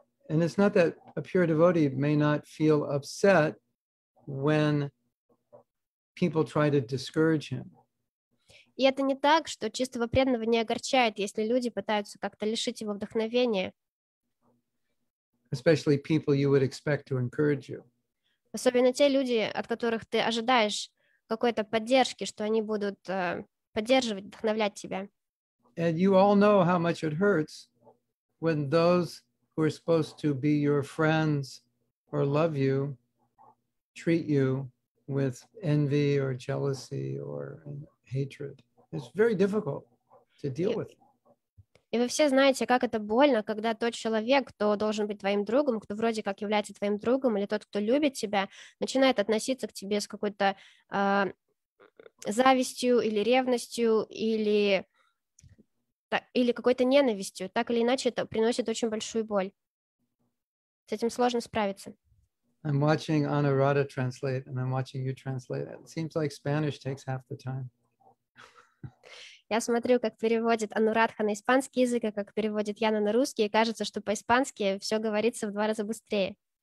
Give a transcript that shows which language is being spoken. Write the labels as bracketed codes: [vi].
[en] And it's not that a pure devotee may not feel upset when people try to discourage him. [ru] И это не так, что чистого преданного не огорчает, если люди пытаются как-то лишить его вдохновения. [en] Especially people you would expect to encourage you. [ru] Особенно те люди, от которых ты ожидаешь какой-то поддержки, что они будут поддерживать, вдохновлять тебя. [en] And you all know how much it hurts when those who are supposed to be your friends or love you treat you with envy or jealousy or hatred. It's very difficult to deal with. [ru] И вы все знаете, как это больно, когда тот человек, кто должен быть твоим другом, кто вроде как является твоим другом, или тот, кто любит тебя, начинает относиться к тебе с какой-то завистью или ревностью, или какой-то ненавистью. Так или иначе, это приносит очень большую боль. С этим сложно справиться. [en] I'm watching Anuradha translate, and I'm watching you translate. It seems like Spanish takes half the time. [ru] Я смотрю, как переводит Анурадха на испанский язык, и как переводит Яна на русский, и кажется, что по-испански все говорится в два раза быстрее.